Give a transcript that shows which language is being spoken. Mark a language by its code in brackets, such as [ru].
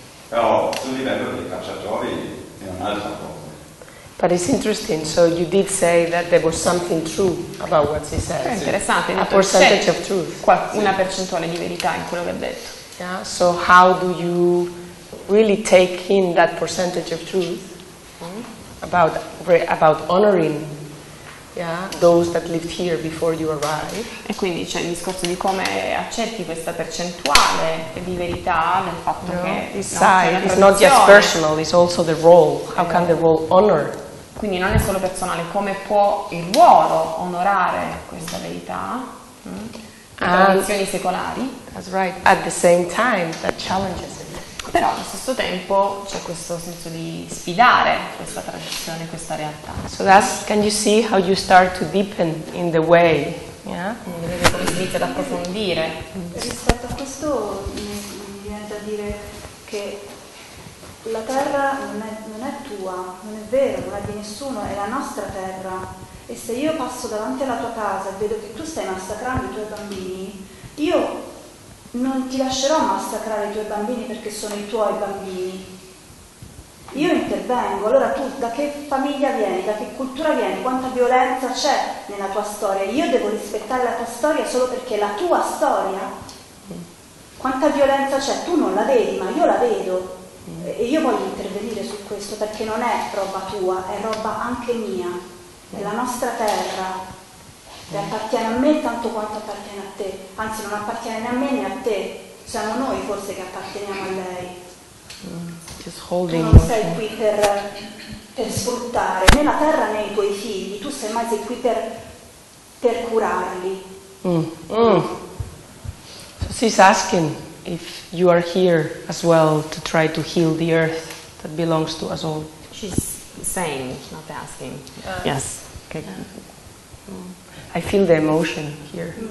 [it] Però sul livello dei cacciatori è un'altra cosa. [en] But it's interesting. So you did say that there was something true about what he said. [it] È interessante. [en] A percentage of truth. [it] Una percentuale di verità in quello che ha detto. [en] Yeah. So how do you really take in that percentage of truth? About honoring, yeah, those that lived here before you arrived. [it] E quindi c'è il discorso di come accetti questa percentuale di verità nel fatto che [en] it's not just personal, it's also the role. How can the role honor? [it] Quindi non è solo personale, come può il ruolo onorare questa verità? Tradizioni secolari. [en] That's right. At the same time, that challenges it. [it] Però allo stesso tempo c'è questo senso di sfidare questa tradizione, questa realtà. [en] So that's, can you see how you start to deepen in the way? [it] Vedete come si inizia ad approfondire. Rispetto a questo mi viene da dire che la terra non è tua, non è vero, non è di nessuno, è la nostra terra. E se io passo davanti alla tua casa e vedo che tu stai massacrando i tuoi bambini, io non ti lascerò massacrare i tuoi bambini perché sono i tuoi bambini. Io intervengo. Allora tu da che famiglia vieni, da che cultura vieni, quanta violenza c'è nella tua storia? Io devo rispettare la tua storia solo perché è la tua storia? Quanta violenza c'è? Tu non la vedi, ma io la vedo. E io voglio intervenire su questo perché non è roba tua, è roba anche mia. È la nostra terra. E appartiene a me tanto quanto appartiene a te, anzi non appartiene né a me né a te, siamo noi forse che apparteniamo a lei. [en] Just holding, [it] tu non sei qui per sfruttare né la terra né i tuoi figli, tu sei mai qui per curarli. [en] So she's asking if you are here as well to try to heal the earth that belongs to us all. She's saying, not asking. Yes. Okay. I feel the emotion here.